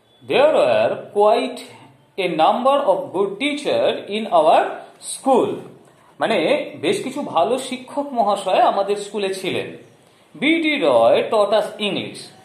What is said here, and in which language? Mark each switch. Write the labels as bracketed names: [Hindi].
[English] there were quite a number of good teacher in our school. [Bangla] মানে বেশ কিছু ভালো শিক্ষক মহাশয় আমাদের স্কুলে ছিলেন. [English] B D Roy taught us English.